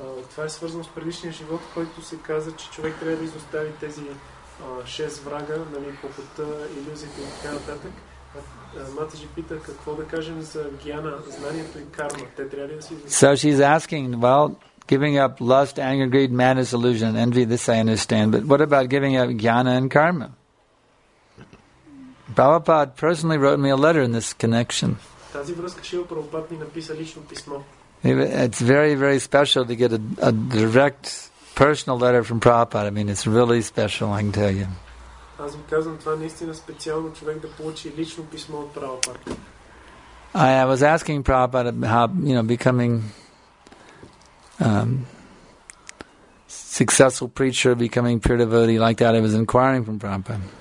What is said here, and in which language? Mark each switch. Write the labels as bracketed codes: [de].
[bg] Това е свързано с предишния живот, който се каза, че човек трябва да изостави тези шест врага, нали, по пътя, иллюзиите и така нататък. Матаджи пита какво да кажем за гьяна, знанието и карма. Те трябва ли да си [en] So she's asking, well, giving up lust, anger, greed, madness, illusion, envy, this I understand, but what about giving up jnana and karma? Prabhupada personally wrote me a letter in this connection. [bg] Тази връзка Шрила Прабхупад ми написа лично писмо. [en] It's very, very special to get a direct personal letter from Prabhupada. I mean, it's really special, I can tell you. [bg] Аз ви казвам, това наистина специално човек да получи лично писмо от Прабхупада. [en] I was asking Prabhupada how, you know, becoming successful preacher, becoming pure devotee like that. I was inquiring from Prabhupada.